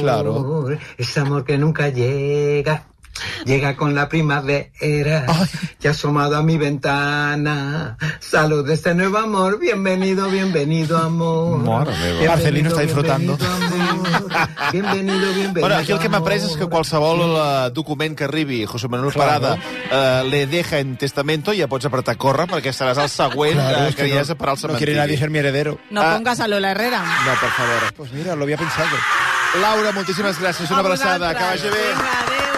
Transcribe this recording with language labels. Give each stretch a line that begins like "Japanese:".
Spanish: Claro. Ese amor que nunca llega, llega con la primavera. Ay. Y asomado a mi ventana, salud de este nuevo amor. Bienvenido, bienvenido, amor. Marcelino está disfrutando. Bienvenido, bienvenido.
Catalan: Bueno, aquí el que m'ha après és que qualsevol document que arribi José Manuel Parada
Spanish: le deja en testamento,
Catalan: ja pots apretar córrer perquè seràs el següent que hi ha per al cementiri.
Spanish: No quiere nadie ser mi heredero. No pongas a Lola Herrera. No, por favor. Pues mira, lo había pensado.
Catalan: Laura, moltíssimes gràcies. Una abraçada. Que vagi bé. Gràcies.